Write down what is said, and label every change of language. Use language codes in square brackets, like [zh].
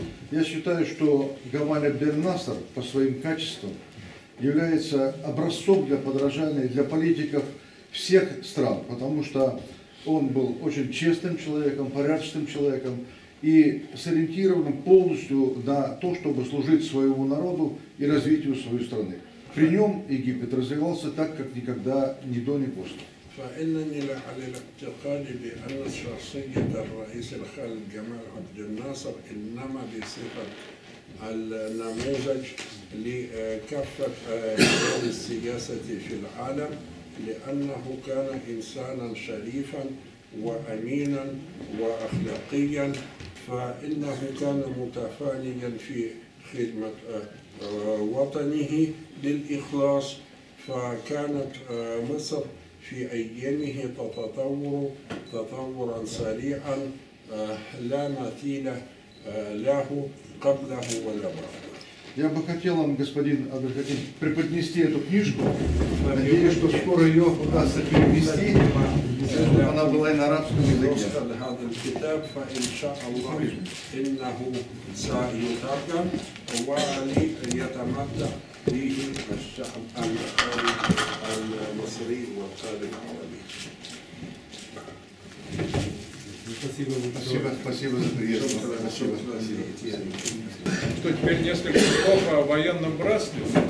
[ru] Я считаю, что Гамаль Абдель-Насер по своим качествам является образцом для подражания для политиков всех стран, потому что он был очень честным человеком, порядочным человеком и сориентированным полностью на то, чтобы служить своему народу и развитию своей страны. При нем Египет развивался так, как никогда ни до, ни после. [ar] فإنني لعلى الاعتقاد بأن شخصية الرئيس الخالد جمال عبد الناصر إنما بصفة النموذج لكافة السياسة في العالم لأنه كان إنسانا شريفا وأمينا وأخلاقيا فإنه كان متفانيا في خدمة وطنه بالإخلاص فكانت مصر في أيامه تطورا سريعا لا مثيل له قبله ولا بعده. [ru] Я бы хотел вам, господин Абдель-Хаким, преподнести эту книжку. Надеюсь, что скоро ее удастся перевести, чтобы она была и на арабском языке. [ar] هذا الكتاب فإن شاء الله إنه سيترجم وليتمتع به الشعب العربي. [ru] Спасибо за приезд. Что теперь несколько слов о военном братстве?